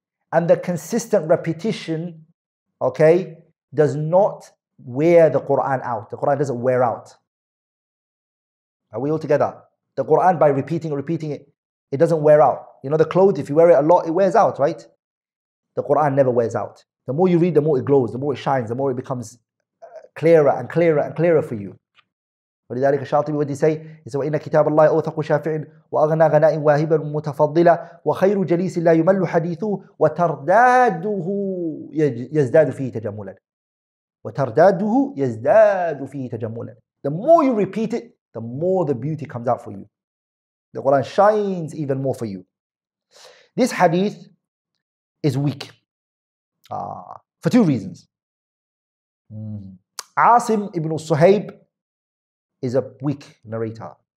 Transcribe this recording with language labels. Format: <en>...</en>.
<en>And the consistent repetition, okay, does not wear the Qur'an out. The Qur'an doesn't wear out. Are we all together? The Qur'an, by repeating it, it doesn't wear out. You know the clothes, if you wear it a lot, it wears out, right? The Qur'an never wears out. The more you read, the more it glows, the more it shines, the more it becomes clearer and clearer and clearer for you.</en> <ar>ولذلك الشاطبي ودي سي سواء إن كتاب الله أوثق شافع وأغنى غناء واهبا متفضلا وخير جليس لا يمل حديثه وترداده يزداد فيه تجملا وترداده يزداد فيه تجملا.</ar> <en>The more you repeat it, the more the beauty comes out for you. The Quran shines even more for you. This hadith is weak for two reasons. عاصم ابن الصهيب is a weak narrator.</en>